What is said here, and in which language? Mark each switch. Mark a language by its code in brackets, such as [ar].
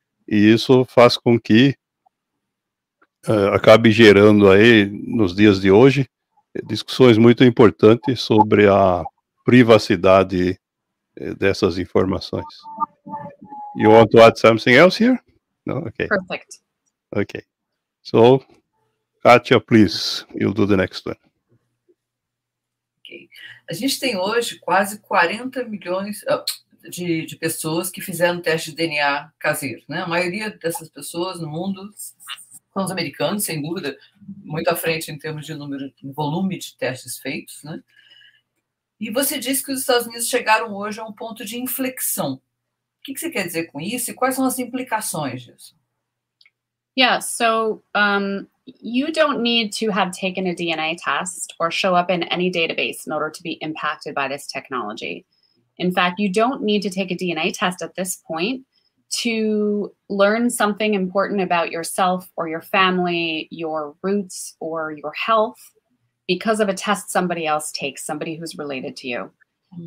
[pt] E isso faz com que acabe gerando aí, nos dias de hoje, discussões muito importantes sobre a privacidade dessas informações. [en] You want to add something else here? No? Okay. Perfect. Okay. So, Katia, please, you'll do the next one. Okay. [pt] A gente tem hoje quase 40 milhões de pessoas que fizeram teste de DNA caseiro, né? A maioria dessas pessoas no mundo são os americanos, sem dúvida, muito à frente em termos de número, volume de testes feitos, né? E você disse que os Estados Unidos chegaram hoje a um ponto de inflexão. O que você quer dizer com isso e quais são as implicações disso? [en] Yeah, so you don't need to have taken a DNA test or show up in any database in order to be impacted by this technology. In fact, you don't need to take a DNA test at this point to learn something important about yourself or your family, your roots, or your health because of a test somebody else takes, somebody who's related to you. Mm-hmm.